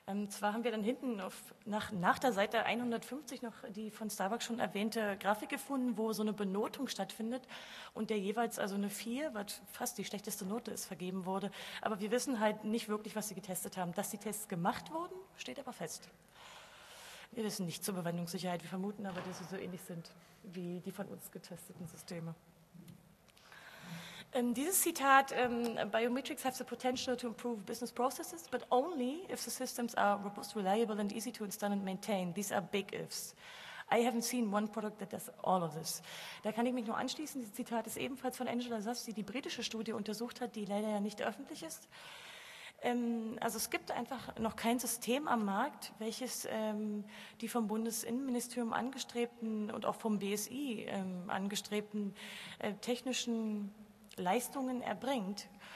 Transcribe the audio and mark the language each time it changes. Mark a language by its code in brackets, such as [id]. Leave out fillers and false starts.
[de] Zwar haben wir dann hinten nach der Seite 150 noch die von Starbucks schon erwähnte Grafik gefunden, wo so eine Benotung stattfindet und der jeweils also eine 4, was fast die schlechteste Note ist, vergeben wurde. Aber wir wissen halt nicht wirklich, was sie getestet haben. Dass die Tests gemacht wurden, steht aber fest. Wir wissen nicht zur Überwindungssicherheit. Wir vermuten aber, dass sie so ähnlich sind wie die von uns getesteten Systeme. Dieses Zitat, [en] Biometrics have the potential to improve business processes, but only if the systems are robust, reliable and easy to install and maintain. These are big ifs. I haven't seen one product that does all of this. [de] Da kann ich mich nur anschließen. Dieses Zitat ist ebenfalls von Angela Sass, die britische Studie untersucht hat, die leider ja nicht öffentlich ist. Also es gibt einfach noch kein System am Markt, welches die vom Bundesinnenministerium angestrebten und auch vom BSI angestrebten technischen Leistungen erbringt.